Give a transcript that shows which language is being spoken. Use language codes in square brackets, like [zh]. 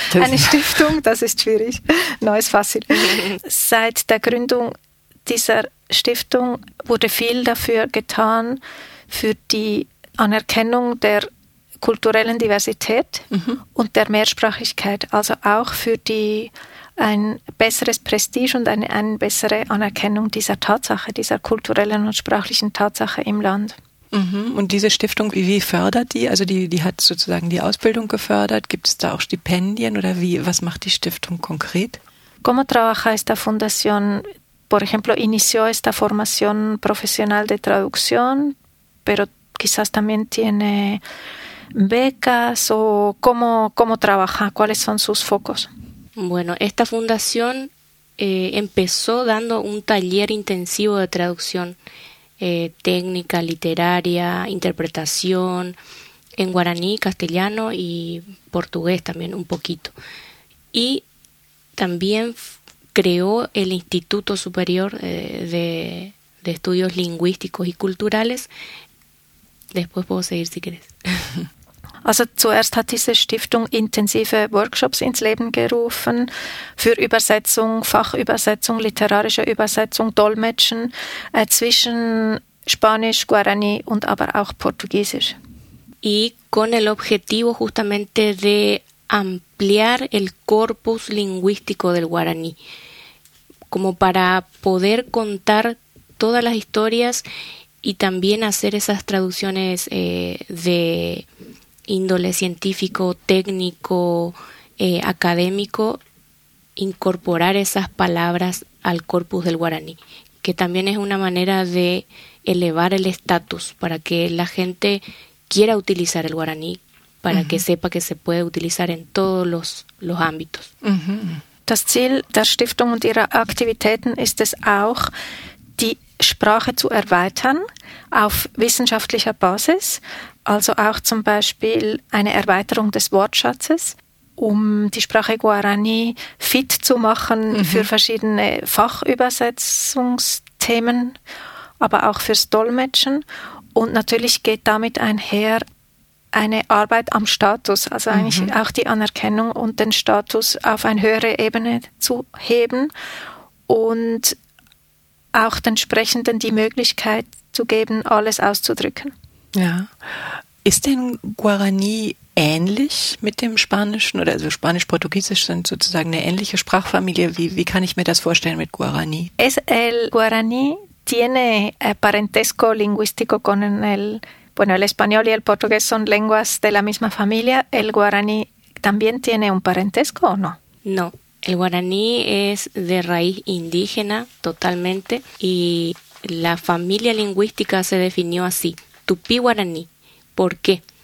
[de] Eine Stiftung, das ist schwierig. [es] No, es fácil. [de] Seit der Gründung dieser Stiftung wurde viel dafür getan, für die Anerkennung der kulturellen Diversität und der Mehrsprachigkeit, also auch für die ein besseres Prestige und eine bessere Anerkennung dieser Tatsache, dieser kulturellen und sprachlichen Tatsache im Land. Und diese Stiftung, wie fördert die? Also die hat sozusagen die Ausbildung gefördert. Gibt es da auch Stipendien oder was macht die Stiftung konkret? [es] ¿Cómo trabaja esta fundación? Por ejemplo, inició esta formación profesional de traducción, pero quizás también tiene becas o cómo trabaja, cuáles son sus focos. Bueno, esta fundación empezó dando un taller intensivo de traducción, técnica literaria, interpretación en guaraní, castellano y portugués también un poquito. Y también creó el Instituto Superior de Estudios Lingüísticos y Culturales. Después puedo seguir, si quieres. [de] Also zuerst hat diese Stiftung intensive Workshops ins Leben gerufen für Übersetzung, Fachübersetzung, literarische Übersetzung, Dolmetschen zwischen Spanisch, Guarani und aber auch Portugiesisch. [es] Y con el objetivo justamente de ampliar el corpus lingüístico del guaraní, como para poder contar todas las historias y también hacer esas traducciones de índole científico, técnico, académico, incorporar esas palabras al corpus del guaraní, que también es una manera de elevar el estatus para que la gente quiera utilizar el guaraní, para que sepa que se puede utilizar en todos los ámbitos. [de] Das Ziel der Stiftung und ihrer Aktivitäten ist es auch, die Sprache zu erweitern auf wissenschaftlicher Basis, also auch zum Beispiel eine Erweiterung des Wortschatzes, um die Sprache Guarani fit zu machen für verschiedene Fachübersetzungsthemen, aber auch fürs Dolmetschen. Und natürlich geht damit einher eine Arbeit am Status, also eigentlich auch die Anerkennung und den Status auf eine höhere Ebene zu heben und auch den Sprechenden die Möglichkeit zu geben, alles auszudrücken. Ja. Ist denn Guarani ähnlich mit dem Spanischen? Oder also Spanisch-Portugiesisch sind sozusagen eine ähnliche Sprachfamilie. Wie kann ich mir das vorstellen mit Guarani? [es] Es el Guarani tiene parentesco lingüístico con el, bueno, el español y el portugués son lenguas de la misma familia. ¿El guaraní también tiene un parentesco o no? No, el guaraní es de raíz indígena totalmente y la familia lingüística se definió así, tupí-guaraní. ¿Por qué?